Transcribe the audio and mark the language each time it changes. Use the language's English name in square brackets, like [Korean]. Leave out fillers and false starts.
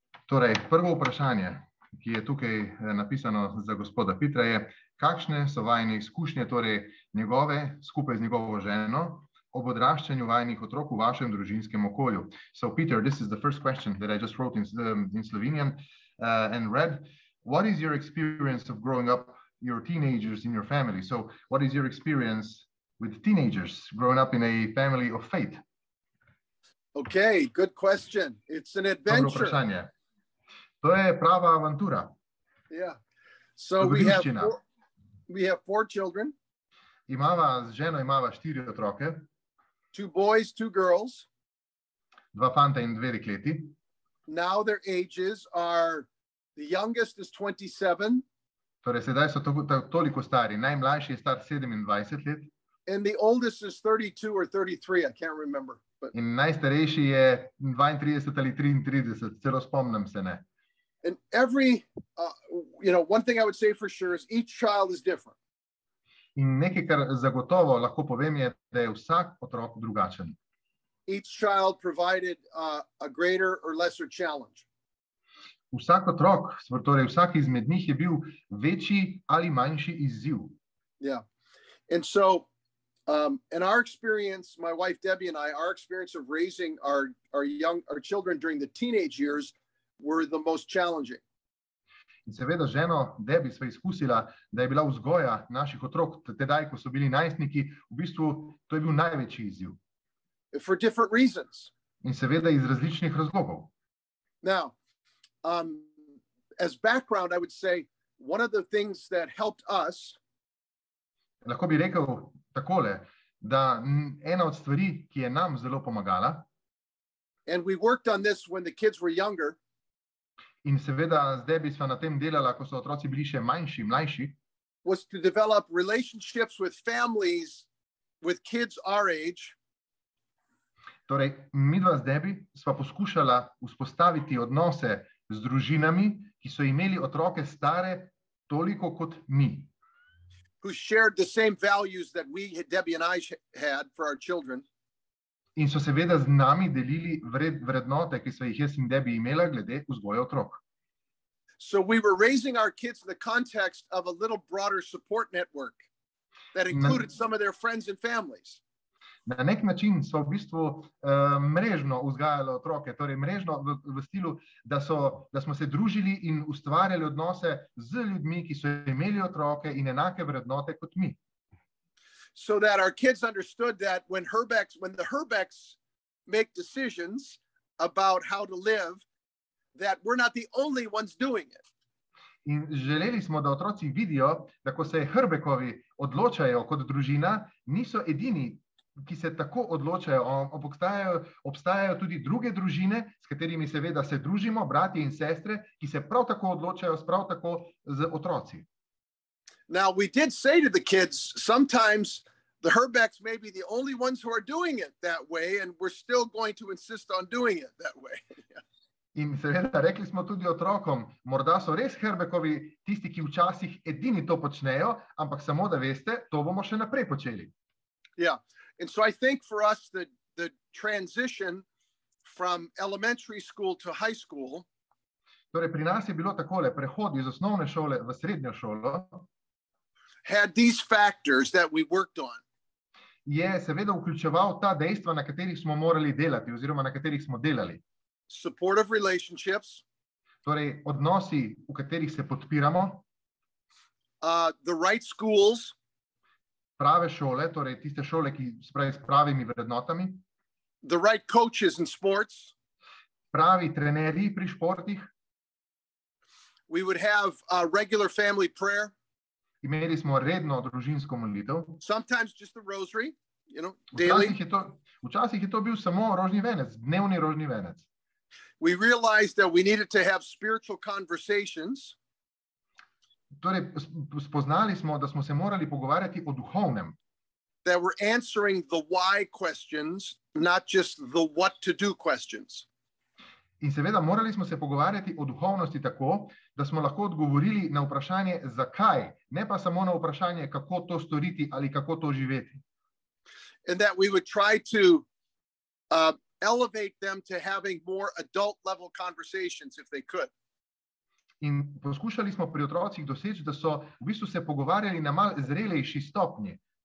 [Slovenian] Torej, prvo vprašanje, ki je tukaj napisano za gospoda Petra, je, kakšne so vajne izkušnje, torej njegove, skupaj z njegovo ženo, ob odraščanju vajnih otrok v vašem družinskem okolju. [English] So, Peter, this is the first question that I just wrote in Slovenian and read. What is your experience of growing up your teenagers in your family? So, what is your experience with teenagers growing up in a family of faith? Okay, good question. It's an adventure. [Slovenian] To je prava avantura. [English] Yeah. So we have four children. [Slovenian] Imava z ženo imava štiri otroke. [English] Two boys, two girls. [Slovenian] Dva fanta in dve dekleti. [English] Now their ages are the youngest is 27. [Slovenian] Torej sedaj so toliko stari, najmlajši je star 27 let. [English] And the oldest is 32 or 33, I can't remember. But, [Slovenian] in najstarejši je 32 ali 33, celo spomnim se ne. [English] And every, one thing I would say for sure is each child is different. [Slovenian] In nekaj, kar zagotovo lahko povem je, da je vsak otrok drugačen. [English] Each child provided a greater or lesser challenge. [Slovenian] Vsak otrok, torej vsak izmed njih je bil večji ali manjši izziv. [English] Yeah. And so, in our experience, my wife Debbie and I, our experience of raising our children during the teenage years were the most challenging. [Slovenian] In seveda ženo Debbie sva izkusila, da je bila vzgoja naših otrok tedaj, ko so bili najstniki, v bistvu to je bil največji izziv. [English] For different reasons. [Slovenian] In seveda iz različnih razlogov. [English] Now, as background, I would say one of the things that helped us. [Slovenian] Lahko bi rekel takole, da ena od stvari, ki je nam zelo pomagala. [English] And we worked on this when the kids were younger. [Slovenian] In seveda z Debbie sva na tem delala, ko so otroci bili še manjši, mlajši. [English] Was to develop relationships with families with kids our age. [Slovenian] Torej, midva z Debbie sva poskušala vzpostaviti odnose z družinami, ki so imeli otroke stare toliko kot mi. [English] Who shared the same values that we, Debbie and I, had for our children. [Slovenian] In so seveda z nami delili vrednote, ki so jih jaz in Debbie imela glede vzgoje otrok. [English] So we were raising our kids in the context of a little broader support network that included some of their friends and families. [Slovenian] Na nek način so v bistvu mrežno vzgajali otroke, torej mrežno v stilu, da smo se družili in ustvarjali odnose z ljudmi, ki so imeli otroke in enake vrednote kot mi. [English] So that our kids understood that when the Herbecks make decisions about how to live, that we're not the only ones doing it. [Slovenian] In želeli smo, da otroci vidijo, da ko se Herbeckovi odločajo kot družina, niso edini, ki se tako odločajo, obstajajo tudi druge družine, s katerimi seveda se družimo, brati in sestre, ki se prav tako odločajo, prav tako z otroci. [English] Now, we did say to the kids, sometimes the Herbecks may be the only ones who are doing it that way, and we're still going to insist on doing it that way. [Slovenian] In seveda, rekli smo tudi otrokom, morda so res Herbeckovi tisti, ki včasih edini to počnejo, ampak samo da veste, to bomo še naprej počeli. [English] Yeah, and so I think for us the transition from elementary school to high school, [Slovenian] torej pri nas je bilo takole, prehod iz osnovne šole v srednjo šolo, [English] had these factors that we worked on. [Slovenian] Je seveda vključeval ta dejstva, na katerih smo morali delati, oziroma na katerih smo delali. [English] Supportive relationships. [Slovenian] Torej, odnosi, v katerih se podpiramo. [English] The right schools. [Slovenian] Prave šole, torej tiste šole, ki spravi s pravimi vrednotami. [English] The right coaches in sports. [Slovenian] Pravi trenerji pri športih. [English] We would have a regular family prayer. [Slovenian] Imeli smo redno družinsko molitev. [English] Sometimes just the rosary, you know, daily. [Slovenian] Včasih je to bil samo rožni venec, dnevni rožni venec. [English] We realized that we needed to have spiritual conversations. [Slovenian] Torej, spoznali smo, da smo se morali pogovarjati o duhovnem. [English] That we're answering the why questions, not just the what to do questions. [Slovenian] In seveda, morali smo se pogovarjati o duhovnosti tako, da smo lahko odgovorili na vprašanje zakaj, ne pa samo na vprašanje kako to storiti ali kako to živeti. [English] And that we would try to elevate them to having more adult level conversations if they could. [Slovenian] In poskušali smo pri otrocih doseči, da so v bistvu se pogovarjali na mal zrelejši stopnji.